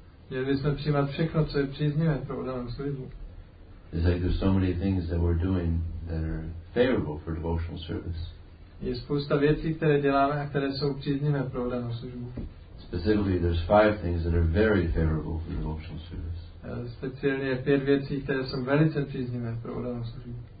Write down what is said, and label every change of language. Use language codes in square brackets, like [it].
[cs] Měli bychom přijímat všechno, co je příznivé pro oddanou službu. [en] It's like there's so many things that we're doing that are favorable for devotional service. [cs] Je spousta věcí, které děláme a které jsou příznivé pro oddanou službu. [en] Specifically, there's five things that are very favorable for devotional service. [cs] Speciálně je pět věcí, které jsou velice příznivé pro oddanou službu.